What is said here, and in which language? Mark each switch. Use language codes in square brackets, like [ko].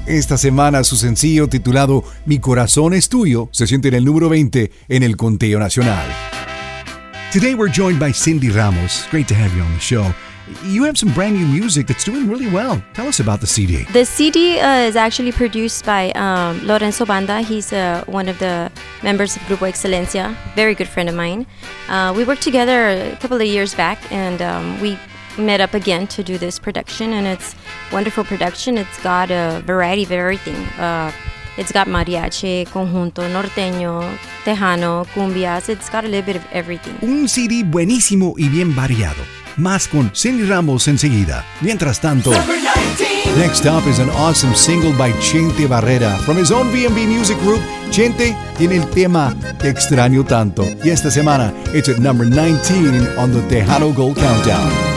[es] Esta semana su sencillo titulado Mi Corazón es Tuyo se siente en el número 20 en el conteo nacional. [en] Today we're joined by Cindy Ramos. Great to have you on the show. You have some brand new music that's doing really well. Tell us about the CD. The CD is actually produced by Lorenzo Banda. He's one of the members of Grupo Excelencia, very good friend of mine. We worked together a couple of years back, and we met up again to do this production, and it's wonderful production. It's got a variety of everything. It's got mariachi, conjunto, norteño, tejano, cumbias. It's got a little bit of everything. [es] Un CD buenísimo y bien variado. Más con Cindy Ramos enseguida. Mientras tanto, [en] next up is an awesome single by Chente Barrera from his own B&B Music Group. [es] Chente tiene el tema Te Extraño Tanto. Y esta semana, [en] it's at number 19 on the Tejano Gold Countdown.